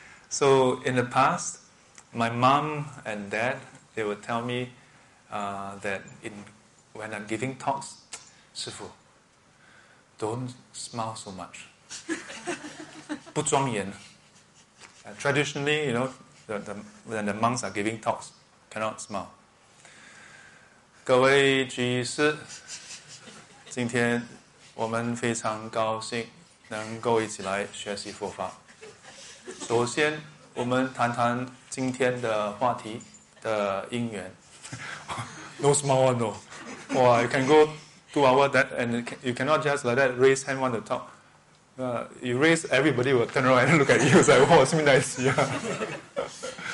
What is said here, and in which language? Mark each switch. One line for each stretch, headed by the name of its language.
English: So in the past, my mom and dad, they would tell me that when I'm giving talks, Shifu, don't smile so much.
Chinese: 不庄严.
English: Traditionally, you know, when the monks are giving talks, cannot smile.
Chinese: 各位居士，今天我们非常高兴能够一起来学习佛法。首先，我们谈谈今天的话题的因缘。
English: No small one, no. Wow, you can go 2 hours that, and you cannot just like that raise hand on the top. You raise, everybody will turn around and look at you. It's like, wow, something nice. Yeah.